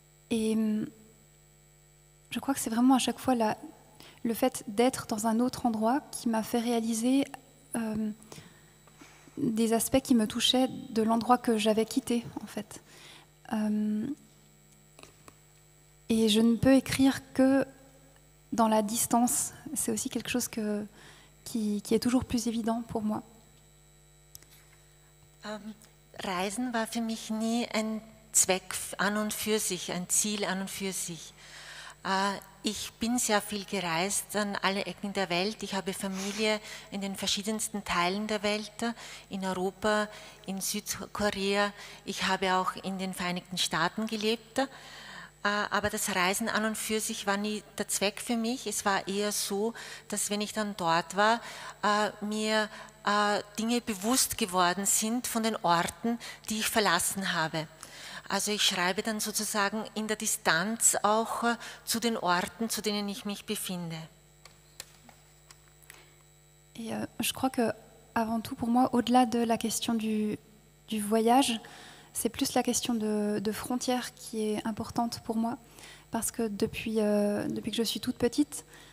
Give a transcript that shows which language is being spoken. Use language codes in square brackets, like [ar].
[fr] Et je crois que c'est vraiment à chaque fois le fait d'être dans un autre endroit qui m'a fait réaliser des aspects qui me touchaient de l'endroit que j'avais quitté, en fait. Et je ne peux écrire que dans la distance. C'est aussi quelque chose qui est toujours plus évident pour moi. [de] Reisen war für mich nie ein Zweck an und für sich, ein Ziel an und für sich. Ich bin sehr viel gereist an alle Ecken der Welt. Ich habe Familie in den verschiedensten Teilen der Welt, in Europa, in Südkorea. Ich habe auch in den Vereinigten Staaten gelebt. Aber das Reisen an und für sich war nie der Zweck für mich. Es war eher so, dass wenn ich dann dort war, mir Dinge bewusst geworden sind von den Orten, die ich verlassen habe. Also ich schreibe dann sozusagen in der Distanz auch zu den Orten, zu denen ich mich befinde. [fr] Et, je crois que avant tout pour moi, au-delà de la question du voyage, c'est plus la question de frontières qui est importante pour moi, parce que depuis que je suis toute petite,